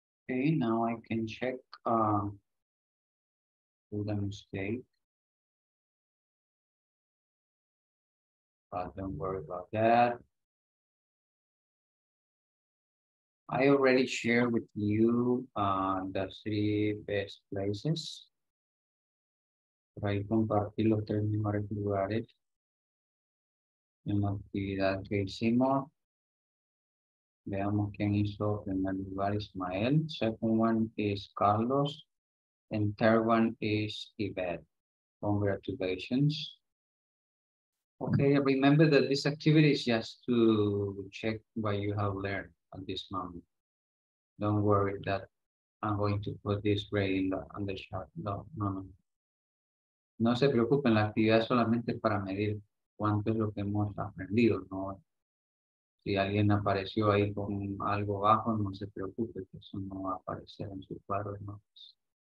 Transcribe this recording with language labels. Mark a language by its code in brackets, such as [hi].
[en] Okay, now I can check for the mistake. But don't worry about that. I already shared with you the three best places. [es] Ahí compartí los tres mejores lugares en la actividad que hicimos. Veamos quién hizo primer lugar, Ismael. [en] Second one is Carlos. And third one is Yvette. Congratulations. Okay, remember that this activity is just to check what you have learned at this moment. Don't worry that I'm going to put this grade in the chat. [es] No se preocupen, la actividad es solamente para medir cuánto es lo que hemos aprendido, ¿no? Si alguien apareció ahí con algo bajo, no se preocupe, que eso no va a aparecer en su cuadro de notas.